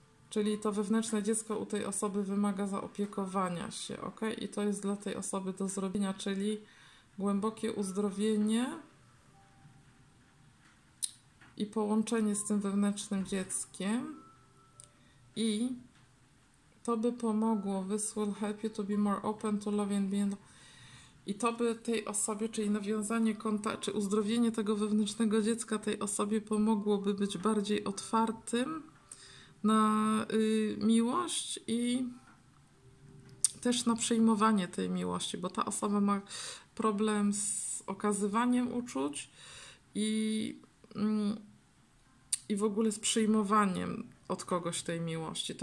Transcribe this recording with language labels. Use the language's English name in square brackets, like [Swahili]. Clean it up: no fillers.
[Polish] Czyli to wewnętrzne dziecko u tej osoby wymaga zaopiekowania się, ok? I to jest dla tej osoby do zrobienia, czyli głębokie uzdrowienie i połączenie z tym wewnętrznym dzieckiem. I to by pomogło, [English] this will help you to be more open to love and being. [Polish] I to by tej osobie, czyli nawiązanie kontaktu, czy uzdrowienie tego wewnętrznego dziecka tej osobie pomogłoby być bardziej otwartym na miłość i też na przyjmowanie tej miłości, bo ta osoba ma problem z okazywaniem uczuć i w ogóle z przyjmowaniem od kogoś tej miłości.